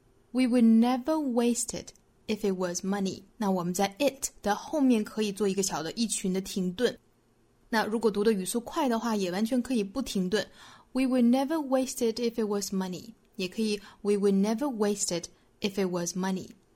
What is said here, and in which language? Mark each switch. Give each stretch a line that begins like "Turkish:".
English: We would never waste it if it was money。
Chinese: 那我们在 it 的后面可以做一个小的一群的停顿，那如果读的语速快的话也完全可以不停顿。
English: We would never waste it if it was money，
Chinese: 也可以
English: We would never waste it if it was money。